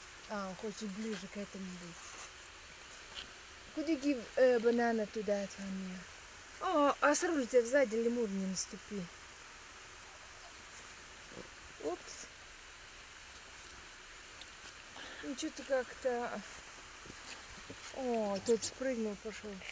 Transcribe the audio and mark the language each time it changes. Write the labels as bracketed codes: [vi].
[ru] А, хочешь ближе к этому быть. [en] Could you give a banana to that one? [ru] О, а сразу тебе сзади лемур не наступи. Опс. Ну, что-то как-то... О, тот спрыгнул, пошел.